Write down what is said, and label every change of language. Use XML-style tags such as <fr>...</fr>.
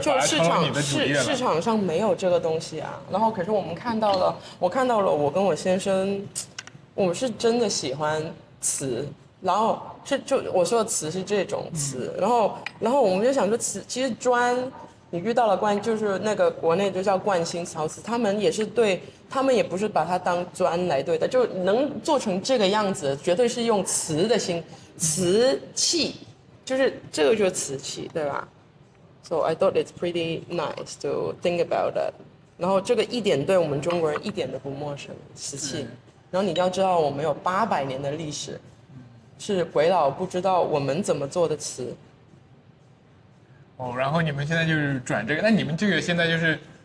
<zh>市场上没有这个东西啊，然后可是我看到了，我跟我先生，我是真的喜欢瓷，然后是就我说的瓷是这种瓷，然后我们就想说瓷，其实砖，你遇到了冠，就是那个国内就叫冠心陶瓷，他们也不是把它当砖来对的，就能做成这个样子，绝对是用瓷的心，瓷器，就是这个就是瓷器，对吧？</zh> <en>So I thought it's pretty nice to think about that.</en> <zh>然后这个一点对我们中国人一点都不陌生，瓷器。然后你要知道，我们有800年的历史，是鬼佬不知道我们怎么做的瓷。哦，然后你们现在就是转这个，那你们这个现在就是，</zh>